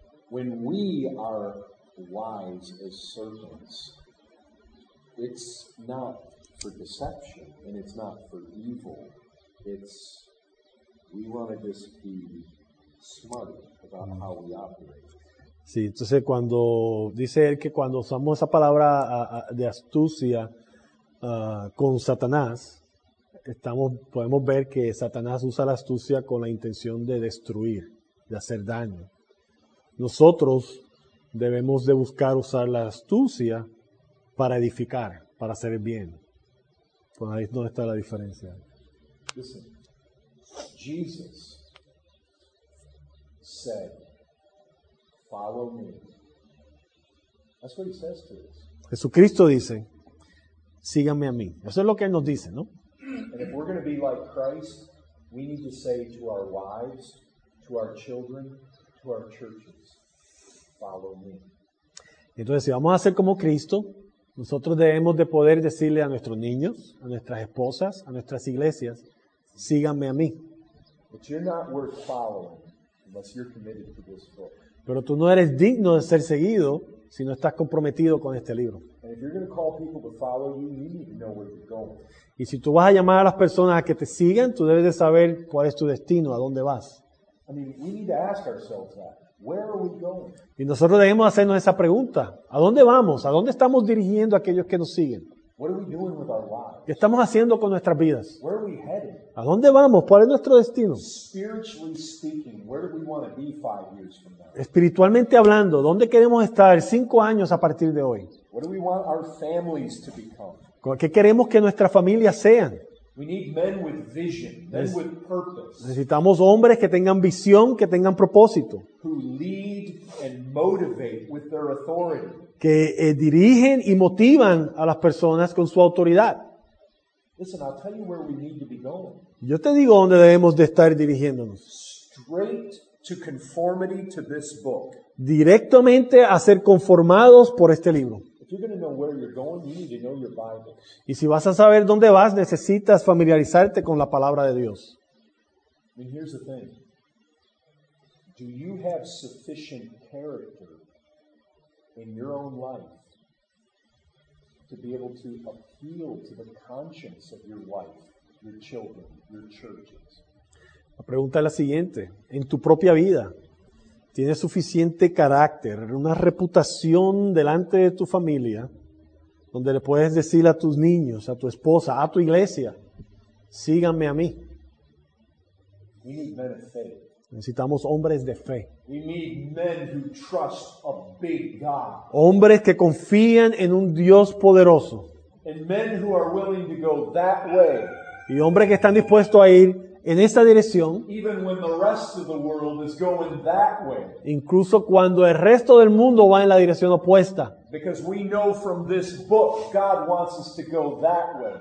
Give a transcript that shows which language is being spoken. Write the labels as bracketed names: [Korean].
[English] When we are wise as serpents, it's not for deception and it's not for evil. It's, we want to just be smart about how we operate. [Spanish] Sí, entonces cuando dice él que cuando usamos esa palabra de astucia con Satanás, podemos ver que Satanás usa la astucia con la intención de destruir, de hacer daño. Nosotros debemos de buscar usar la astucia para edificar, para hacer el bien. Pues ahí es donde está la diferencia. [English] Listen, Jesus said, follow me. That's what he says to us. [Spanish] Jesucristo dice, síganme a mí. Eso es lo que él nos dice, ¿no? [English] And if we're going to be like Christ, we need to say to our wives, to our children, to our churches, follow me. [Spanish] Entonces, si vamos a ser como Cristo, nosotros debemos de poder decirle a nuestros niños, a nuestras esposas, a nuestras iglesias, síganme a mí. [English] But you're not worth following unless you're committed to this book. [Spanish] Pero tú no eres digno de ser seguido si no estás comprometido con este libro. [English] And if you're going to call people to follow you, you need to know where you're going. [Spanish] Y si tú vas a llamar a las personas a que te sigan, tú debes de saber cuál es tu destino, a dónde vas. [English] I mean, we need to ask ourselves that. Where are we going? [Spanish] Y nosotros debemos hacernos esa pregunta. ¿A dónde vamos? ¿A dónde estamos dirigiendo a aquellos que nos siguen? [English] What are we doing with our lives? [Spanish] ¿Qué estamos haciendo con nuestras vidas? [English] Where are we headed? [Spanish] ¿A dónde vamos? ¿Cuál es nuestro destino? [English] Spiritually speaking, where do we want to be 5 years from now? [Spanish] Espiritualmente hablando, ¿dónde queremos estar 5 años a partir de hoy? [English] What do we want our families to become? [Spanish] ¿Qué queremos que nuestras familias sean? [English] We need men with vision, men with purpose. [Spanish] Necesitamos hombres que tengan visión, que tengan propósito. [English] Who lead and motivate with their authority. [Spanish] Que dirigen y motivan a las personas con su autoridad. [English] Listen, I'll tell you where we need to be going. [Spanish] Yo te digo dónde debemos de estar dirigiéndonos. [English] Straight to conformity to this book. [Spanish] Directamente a ser conformados por este libro. [English] If you're going to know where you're going, you need to know your Bible. [Spanish] Y si vas a saber dónde vas, necesitas familiarizarte con la palabra de Dios. [English] And here's the thing. Do you have sufficient character in your own life to be able to appeal to the conscience of your wife, your children, your churches? [Spanish] La pregunta es la siguiente. En tu propia vida, ¿tienes suficiente carácter, una reputación delante de tu familia, donde le puedes decir a tus niños, a tu esposa, a tu iglesia, síganme a mí? [English] We need men of faith. [Spanish] Necesitamos hombres de fe. [English] We need men who trust a big God. [Spanish] Hombres que confían en un Dios poderoso. [English] And men who are willing to go that way. [Spanish] Y hombres que están dispuestos a ir en esa dirección. [English] Even when the rest of the world is going that way. [Spanish] Incluso cuando el resto del mundo va en la dirección opuesta. [English] Because we know from this book God wants us to go that way.